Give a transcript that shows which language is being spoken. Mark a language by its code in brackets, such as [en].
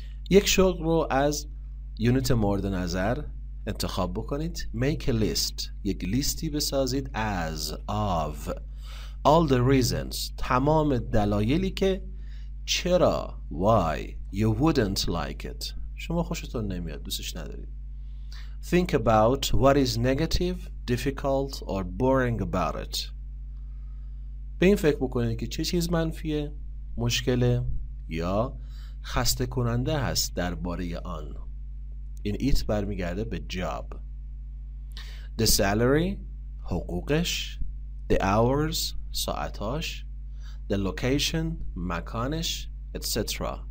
[fa] یک شغل رو از یونیت مورد نظر انتخاب بکنید. [en] Make a list. [fa] یک لیستی بسازید [en] as of all the reasons. [fa] تمام دلایلی که چرا [en] why you wouldn't like it. [fa] شما خوشتون نمیاد، دوستش ندارید. [en] Think about what is negative, difficult or boring about it. [fa] به این فکر بکنید که چه چیز منفیه، مشکله یا خسته کننده هست درباره آن. این ایت برمیگرده به جاب. [en] The salary، [fa] حقوقش. [en] The hours، ساعتاش. The location، مکانش، etc.